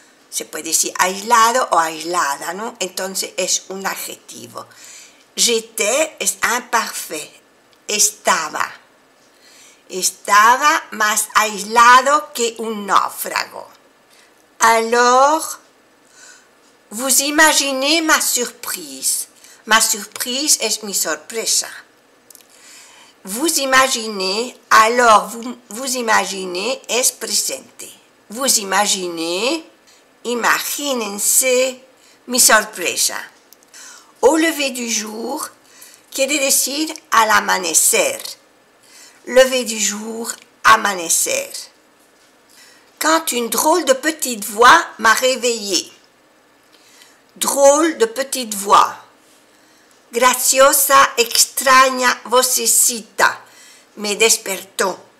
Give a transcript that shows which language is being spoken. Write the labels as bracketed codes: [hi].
[es] Se puede decir aislado o aislada, ¿no? Entonces es un adjetivo. J'étais es imparfait. Estaba. Estaba más aislado que un náufrago. [fr] Alors, vous imaginez ma surprise. Ma surprise [es] es mi sorpresa. [fr] Vous imaginez, alors vous imaginez [es] es presente. [fr] Vous imaginez, [es] imagínense mi sorpresa. [fr] Au lever du jour, [es] quiere decir al amanecer. [fr] Lever du jour, amanecer. Quand une drôle de petite voix m'a réveillée. Drôle de petite voix. [es] Graciosa, extraña, vocecita. Me despertó.